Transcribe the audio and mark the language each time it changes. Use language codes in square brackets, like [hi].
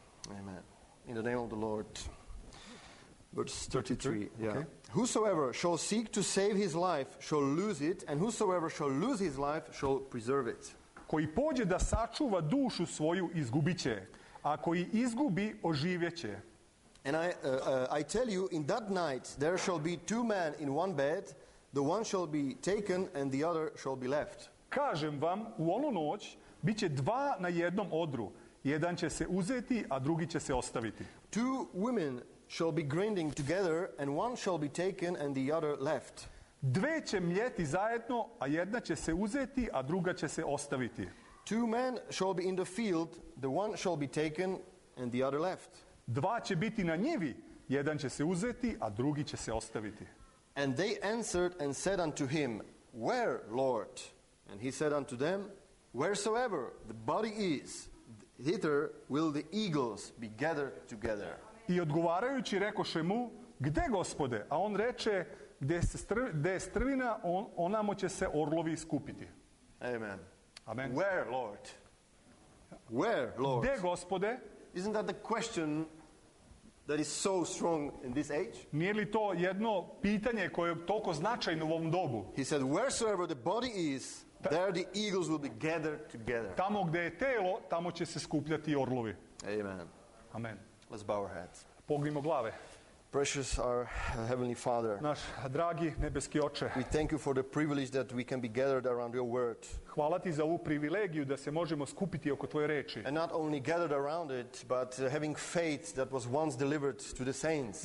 [en] Amen. In the name of the Lord. Verse 33. Yeah. Okay. Whosoever shall seek to save his life shall lose it, and whosoever shall lose his life shall preserve it. [sr] Koji pođe da sačuva dušu svoju, izgubit će. A koji izgubi, oživjet će. [en] And I tell you, in that night there shall be two men in one bed. The one shall be taken and the other shall be left. [sr] Kažem vam, u onu noć bit će dva na jednom odru. Jedan će se uzeti, a drugi će se ostaviti. [en] Two women shall be grinding together and one shall be taken and the other left. [sr] Dve će mljeti zajedno, a jedna će se uzeti, a druga će se ostaviti. [en] Two men shall be in the field, the one shall be taken and the other left. [sr] Dva će biti na njivi, jedan će se uzeti, a drugi će se ostaviti. [en] And they answered and said unto him, Where, Lord? And he said unto them, Wheresoever the body is, thither will the eagles be gathered together. [sr] I odgovarajući rekoše mu, Gde, Gospode? A on reče, Gde je strvina, onamo će se orlovi skupiti. [en] Amen. Amen. Where, Lord? Where, Lord? [sr] Gde, Gospode? [en] Isn't that the question that is so strong in this age? [sr] Nije li to jedno pitanje koje je toliko značajno u ovom dobu? [en] He said, wheresoever the body is, there the eagles will be gathered together. [sr] Tamo gde je telo, tamo će se skupljati orlovi. [en] Amen. Amen. Let's bow our heads. [sr] Pognimo glave. [en] Precious our heavenly Father. [sr] Naš dragi nebeski Oče. [en] We thank you for the privilege that we can be gathered around your word. [sr] Hvala ti za ovu privilegiju da se možemo skupiti oko tvoje reči. [en] And not only gathered around it, but having faith that was once delivered to the saints.